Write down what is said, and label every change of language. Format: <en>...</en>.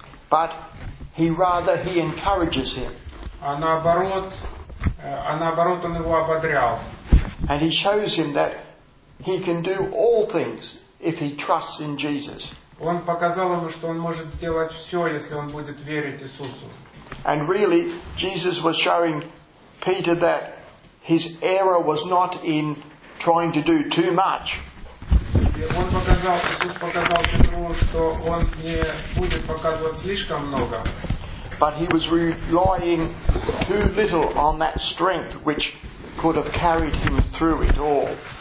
<en>But he rather he encourages him.</en> <ru>А наоборот, он его ободрял.</ru> <en>And he shows him that he can do all things if he trusts in Jesus.</en> <ru>Он показал ему, что он может сделать все, если он будет верить Иисусу.</ru> <en>And really, Jesus was showing Peter that his error was not in trying to do too much.</en> <ru>Он показал, Иисус показал Петру, что он не будет показывать слишком много.</ru> <en>But he was relying too little on that strength which could have carried him through it all.</en>